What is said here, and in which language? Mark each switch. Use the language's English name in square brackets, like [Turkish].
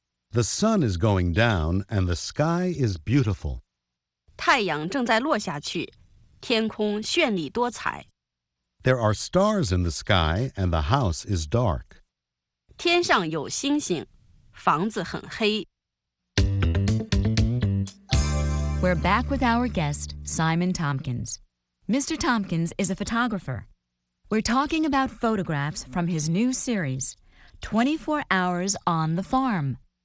[English] The sun is going down and the sky is beautiful [Chinese] 太阳正在落下去天空绚丽多彩 [English] There are stars in the sky and the house is dark [Chinese] 天上有星星房子很黑 [English] We're back with our guest, Simon Tompkins. Mr. Tompkins is a photographer. We're talking about photographs from his new series, 24 Hours on the Farm.